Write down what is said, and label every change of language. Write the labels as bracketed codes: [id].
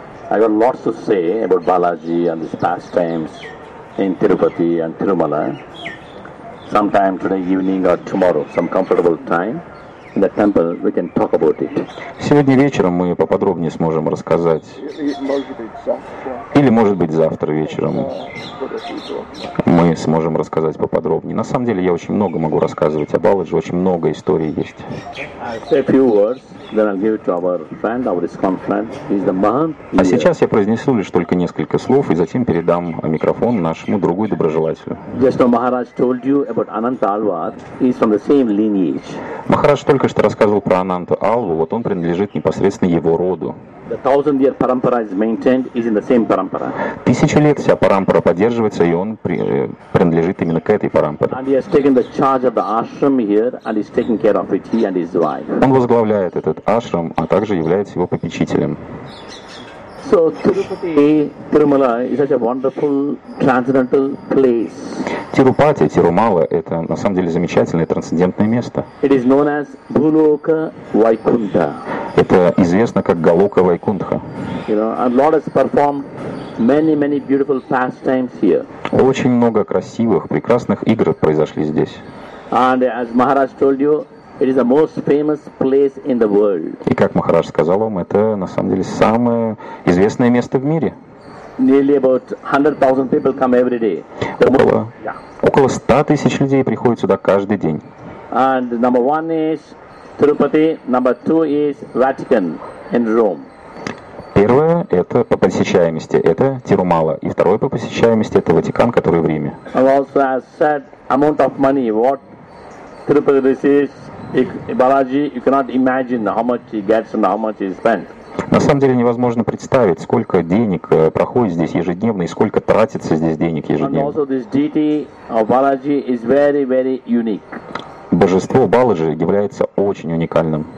[en] I got lots to say about Balaji and his pastimes in Tirupati and Tirumala. Sometime today evening or tomorrow, some comfortable time, the temple, we can talk about it. [ru] Сегодня вечером мы поподробнее сможем рассказать. Или, может быть, завтра вечером мы сможем рассказать поподробнее. На самом деле, я очень много могу рассказывать о Баладжи, очень много историй есть. [en] A few words, then I'll give it to our friend, our ISKCON friend. He's the Mahant. [ru] А сейчас я произнесу лишь только несколько слов и затем передам микрофон нашему другу и доброжелателю. [en] Just now Maharaj told you about Anant Alwar. He's from the same lineage. [ru] Maharaj только что рассказывал про Ананта Алву, вот он принадлежит непосредственно его роду. [en] The 1000-year parampara is maintained, is in the same parampara. [ru] Тысячу лет вся парампара поддерживается, и он принадлежит именно к этой парампаре. [en] And he has taken the charge of the ashram here, and he's taking care of it, he and his wife. [ru] Он возглавляет этот ашрам, а также является его попечителем. [en] So Tirupati, Tirumala is such a wonderful transcendental place. [ru] Tirupati, Tirumala, это на самом деле замечательное трансцендентное место. [en] It is known as Bhuloka Vaikuntha. [ru] Это известно как Галока Вайкунтха. [en] You know, and Lord has performed many beautiful pastimes here. [ru] Очень много красивых, прекрасных игр произошли здесь. [en] And as Maharaj told you, it is the most famous place in the world. [ru] И как Махарадж сказал вам, это на самом деле самое известное место в мире. [en] Nearly about 100,000 people come every day. [ru] Около 100,000 людей приходят сюда каждый день. [en] And number one is Tirupati, number two is Vatican in Rome. [ru] Первое это по посещаемости, это Тирумала, и второе по посещаемости это Ватикан, который в Риме. [en] And also as said, amount of money what Tirupati receives. Balaji, you cannot imagine how much he gets and how much he spends. [ru] На самом деле невозможно представить, сколько денег проходит здесь ежедневно и сколько тратится здесь денег ежедневно. [en] And also this deity of Balaji is very, very unique. [ru] Божество Баладжи является очень уникальным.